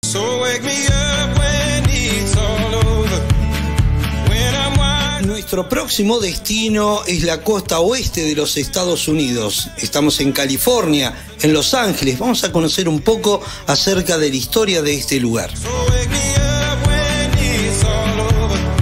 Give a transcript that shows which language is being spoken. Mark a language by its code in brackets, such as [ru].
[en] So wake me up when it's all over. When I'm wild. [es] Nuestro próximo destino es la costa oeste de los Estados Unidos. Estamos en California, en Los Ángeles. Vamos a conocer un poco acerca de la historia de este lugar. [en] So wake me up when it's all over.